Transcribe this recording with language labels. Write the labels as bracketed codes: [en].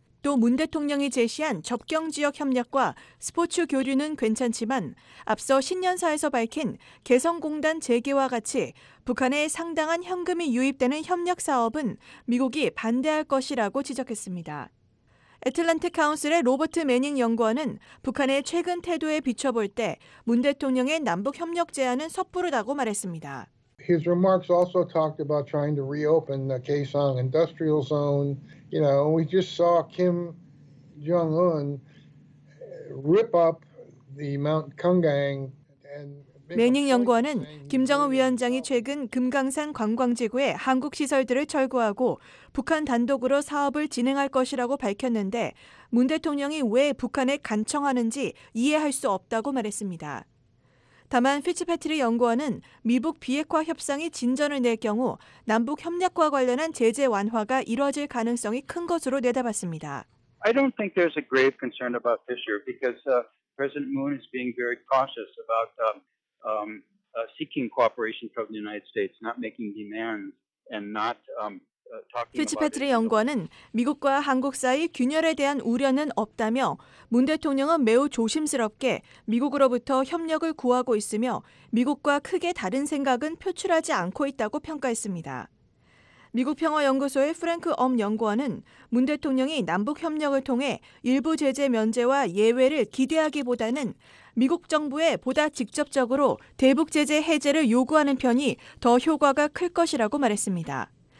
[ko] 또 문 대통령이 제시한 접경지역 협력과 스포츠 교류는 괜찮지만 앞서 신년사에서 밝힌 개성공단 재개와 같이 북한에 상당한 현금이 유입되는 협력 사업은 미국이 반대할 것이라고 지적했습니다. 애틀란틱 카운슬의 로버트 매닝 연구원은 북한의 최근 태도에 비춰볼 때 문 대통령의 남북협력 제안은 섣부르다고 말했습니다. [en] His remarks also talked about trying to reopen the Kaesong Industrial Zone. You know, we just saw Kim Jong-un rip up the Mount Kumgang. [ko] 매닝 연구원은 김정은 위원장이 최근 금강산 관광지구에 한국 시설들을 철거하고 북한 단독으로 사업을 진행할 것이라고 밝혔는데 문 대통령이 왜 북한에 간청하는지 이해할 수 없다고 말했습니다. 다만 피츠패트리 연구원은 미북 비핵화 협상이 진전을 낼 경우 남북 협력과 관련한 제재 완화가 이루어질 가능성이 큰 것으로 내다봤습니다. [en] I don't think there's a grave concern about this year because President Moon is being very cautious about seeking cooperation from the United States, not making demands and not talking. [ko] 피츠패트리 연구원은 미국과 한국 사이 균열에 대한 우려는 없다며 문 대통령은 매우 조심스럽게 미국으로부터 협력을 구하고 있으며 미국과 크게 다른 생각은 표출하지 않고 있다고 평가했습니다. 미국 평화연구소의 프랭크 엄 연구원은 문 대통령이 남북협력을 통해 일부 제재 면제와 예외를 기대하기보다는 미국 정부에 보다 직접적으로 대북 제재 해제를 요구하는 편이 더 효과가 클 것이라고 말했습니다.